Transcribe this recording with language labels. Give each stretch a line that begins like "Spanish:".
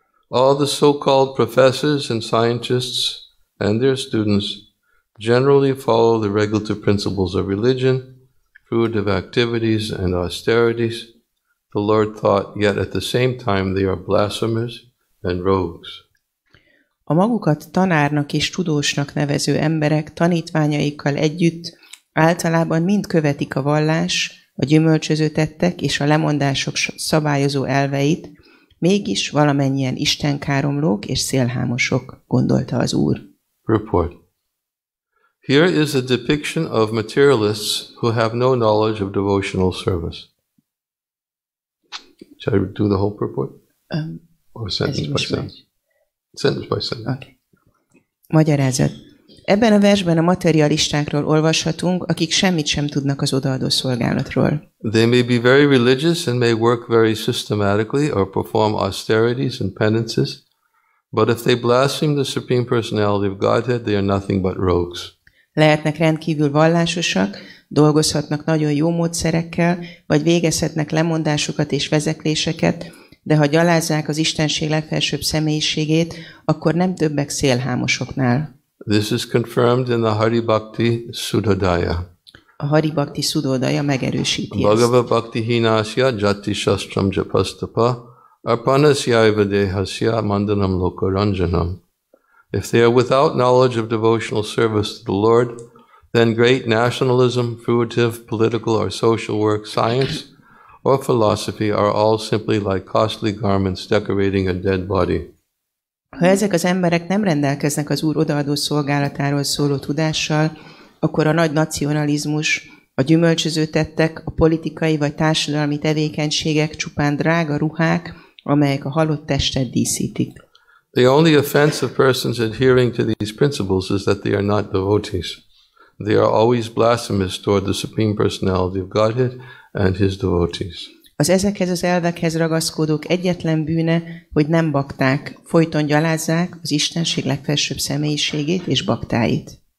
English: All the so-called professors and scientists and their students generally follow the regulative principles of religion, fruit of activities and austerities, the Lord thought, yet at the same time they are blasphemers and rogues.
Hungarian: A magukat tanárnak és tudósnak nevező emberek tanítványaikkal együtt általában mind követik a vallás, a gyümölcsöző tettek és a lemondások szabályozó elveit, mégis valamennyien istenkáromlók és szélhámosok, gondolta az Úr.
English: Report. Here is a depiction of materialists who have no knowledge of devotional service. Should I do the whole purport? Or sentence by sentence? Sentence by sentence.
Hungarian: Okay. Magyarázat. Ebben a versben a materialistákról olvashatunk, akik semmit sem tudnak az odaadó szolgálatról.
English: They may be very religious and may work very systematically or perform austerities and penances, but if they blaspheme the Supreme Personality of Godhead, they are nothing but rogues.
Hungarian: Lehetnek rendkívül vallásosak, dolgozhatnak nagyon jó módszerekkel, vagy végezhetnek lemondásokat és vezekléseket, de ha gyalázzák az Istenség legfelsőbb személyiségét, akkor nem többek szélhámosoknál.
English: This is confirmed in the Hari Bhakti Sudodaya.
Hungarian: A Hari Bhakti Sudodaya megerősíti ezt.
Sanskrit: Bhagava Bhakti Hinasya Jati Shastram Japastapa Arpanasya Ivadehasya Mandanam Lokaranjanam.
English: If they are without knowledge of devotional service to the Lord, then great nationalism, fruitive, political or social work, science or philosophy are all simply like costly garments decorating a dead body.
Hungarian: Ha ezek az emberek nem rendelkeznek az Úr odaadó szolgálatáról szóló tudással, akkor a nagy nacionalizmus, a gyümölcsöző tettek, a politikai vagy társadalmi tevékenységek csupán drága ruhák, amelyek a halott testet díszítik.
English: The only offense of persons adhering to these principles is that they are not devotees. They are always blasphemous toward the Supreme Personality of Godhead and His devotees.
Hungarian: Az ezekhez az elvekhez ragaszkodók egyetlen bűne, hogy nem bakták, folyton gyalázzák az Istenség legfelsőbb személyiségét és baktáit.